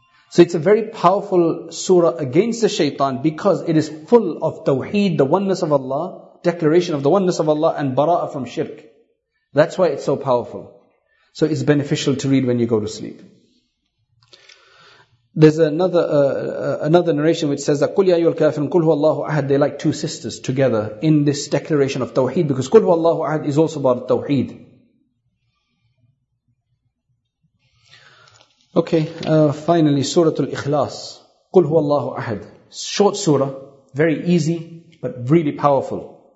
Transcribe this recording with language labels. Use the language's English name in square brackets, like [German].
[English] So it's a very powerful surah against the shaitan because it is full of tawheed, the oneness of Allah, declaration of the oneness of Allah, and bara'ah from shirk. That's why it's so powerful. So it's beneficial to read when you go to sleep. There's another narration which says that [Arabic] قُلْ يَا أَيُّهَا الْكَافِرُونَ قُلْ هُوَ اللَّهُ أَحَدٌ. [English] They're like two sisters together in this declaration of tawheed, because [Arabic] قُلْ هُوَ اللَّهُ أَحَدٌ [English] is also about tawheed. Okay, finally, Surah Al-Ikhlas, [Arabic] قُلْ هُوَ اللَّهُ أَحَدٌ. [English] Short surah, very easy, but really powerful.